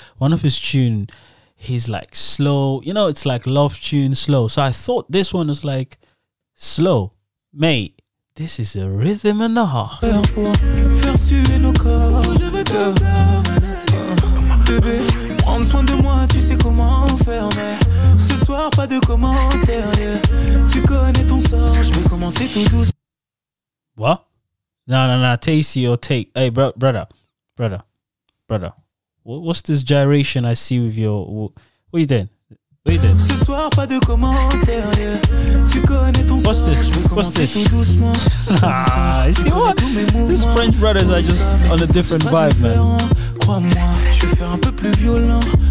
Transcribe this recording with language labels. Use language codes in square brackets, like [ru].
[en] One of his tune, he's like slow, you know, it's like love tune slow. So I thought this one was like slow, mate. This is a rhythm and a half. [fr] Prendre soin de moi, tu sais comment faire, mais ce soir pas de commentaire. Tu connais ton sort, je vais commencer tout doucement. [en] What? Nah, Tacy or Take. Hey, brother. What's this gyration I see with your... What are you doing? [fr] Ce soir pas de commentaire, tu connais ton sort, je vais commencer tout doucement. [en] Ah, you see what? These French brothers are just on a different vibe, man. [fr] Crois-moi, je vais faire un peu plus violent.